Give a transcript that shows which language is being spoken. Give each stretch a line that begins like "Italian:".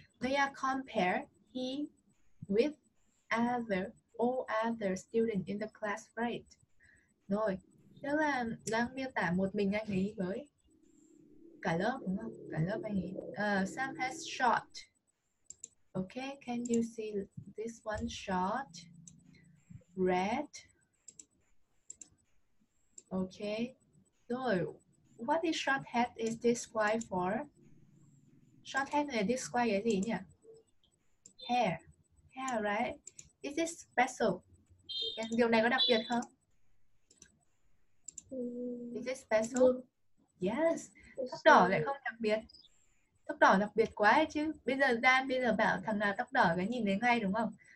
English: They are compare he with all other students in the class, right?
Vietnamese: Rồi, tức là đang miêu tả một mình anh ấy với cả lớp đúng không? Cả lớp anh ấy.
English: Sam has short. Okay, can you see this one short? Red. Okay. Rồi, what is short hat is described for?
Vietnamese: Short hair này describe cái gì nhỉ? Hair, right?
English: Is it special?
Vietnamese: Điều này có đặc biệt không?
English: Is it special? Yes.
Vietnamese: Tóc đỏ lại không đặc biệt. Tóc đỏ đặc biệt quá chứ. Bây giờ bảo thằng nào tóc đỏ cái nhìn thấy ngay đúng không?